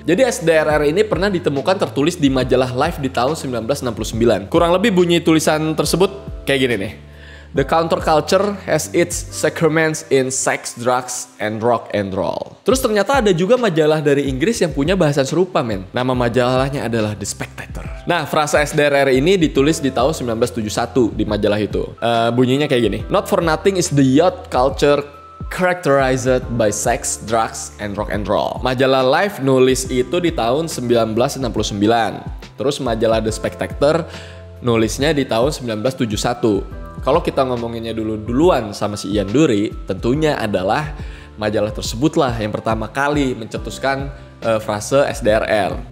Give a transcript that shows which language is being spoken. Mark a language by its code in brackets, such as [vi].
[id] Jadi SDRR ini pernah ditemukan tertulis di majalah Life di tahun 1969. Kurang lebih bunyi tulisan tersebut kayak gini nih. [en] The counterculture has its sacraments in sex, drugs, and rock and roll. [id] Terus ternyata ada juga majalah dari Inggris yang punya bahasan serupa, men. Nama majalahnya adalah The Spectator. Nah, frasa SDRR ini ditulis di tahun 1971 di majalah itu. Bunyinya kayak gini. [en] Not for nothing is the yacht culture characterized by sex, drugs, and rock and roll. [id] Majalah Life nulis itu di tahun 1969. Terus majalah The Spectator nulisnya di tahun 1971. Kalau kita ngomonginnya dulu-duluan sama si Ian Dury, tentunya adalah majalah tersebutlah yang pertama kali mencetuskan frase SDRR.